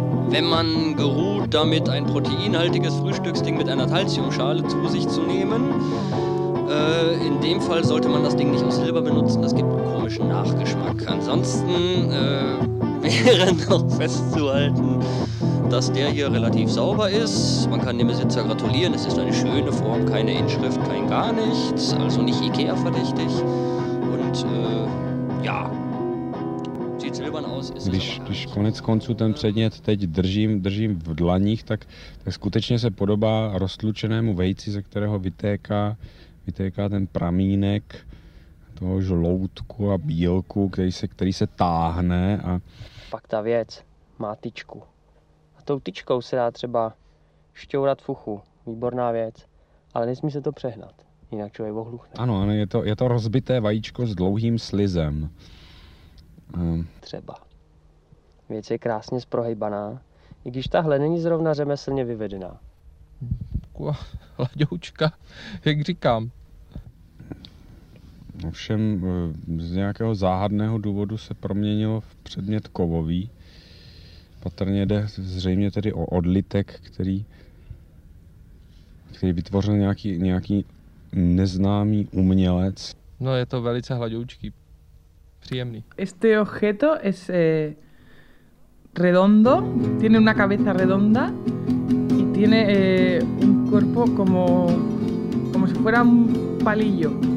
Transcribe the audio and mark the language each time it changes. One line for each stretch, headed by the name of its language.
German: Wenn man geruht damit, ein proteinhaltiges Frühstücksding mit einer Calciumschale zu sich zu nehmen, in dem Fall sollte man das Ding nicht aus Silber benutzen, das gibt einen komischen Nachgeschmack. Ansonsten wäre noch festzuhalten, dass der hier relativ sauber ist. Man kann dem Besitzer gratulieren, es ist eine schöne Form, keine Inschrift, kein gar nichts, also nicht IKEA-verdächtig. Und ja, sieht silbern aus, ist es aber.
Czech: Když konec konců ten předmět teď držím v dlaních, tak skutečně se podobá roztlučenému vejci, ze kterého vytéká ten pramínek toho žloutku a bílku, který se táhne a... Pak ta věc má tyčku. A tou tyčkou se dá třeba šťourat fuchu. Výborná věc. Ale nesmí se to přehnat. Jinak člověk ohluchne. Ano, je to rozbité vajíčko s dlouhým slizem. Třeba. Věc je krásně zprohejbaná, i když tahle není zrovna řemeslně vyvedená. Hladoučka, jak říkám. Ovšem z nějakého záhadného důvodu se proměnilo v předmět kovový. Patrně jde zřejmě tedy o odlitek, který vytvořil nějaký neznámý umělec. No, je to velice hladoučký. Příjemný.
Spanish: Este objeto es redondo, tiene una cabeza redonda y tiene un cuerpo como si fuera un palillo.